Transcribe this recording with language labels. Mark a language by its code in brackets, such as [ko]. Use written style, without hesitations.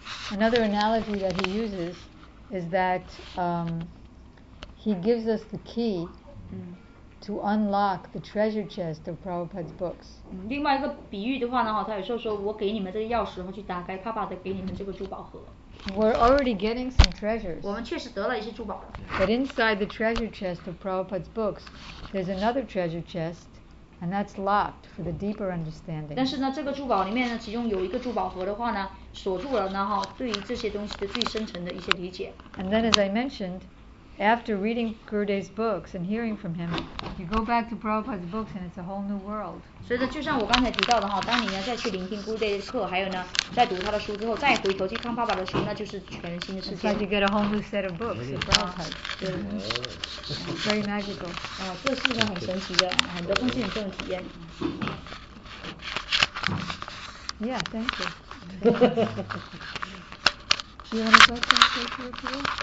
[en] Another analogy that he uses is that he gives us the key to unlock the treasure chest of Prabhupada's books. [zh] 另外一个比喻的话呢，他也说我给你们这个钥匙，然后去打开帕帕的给你们这个珠宝盒。 [en] We're already getting some treasures. [zh] 我们确实得了一些珠宝。 [en] But inside the treasure chest of Prabhupada's books, there's another treasure chest, and that's locked for the deeper understanding. [zh] 但是呢，这个珠宝里面呢，其中有一个珠宝盒的话呢，锁住了呢哈，对于这些东西的最深层的一些理解。 [en] And then, as I mentioned, after reading Gurudev's books and hearing from him, you go back to Prabhupada's books and it's a whole new world. [zh] 所以呢，就像我刚才提到的哈，当你呢再去聆听 Gurudev 的课，还有呢在读他的书之后，再回头去看爸爸的书，那就是全新的世界。 [en] It's like you get a whole new set of books of Prabhupada. [zh] 对。 [en] Very magical. [zh] 啊，这是一个很神奇的，很多东西很这种体验。 [en] Yeah, thank you. Do you want to go to the table?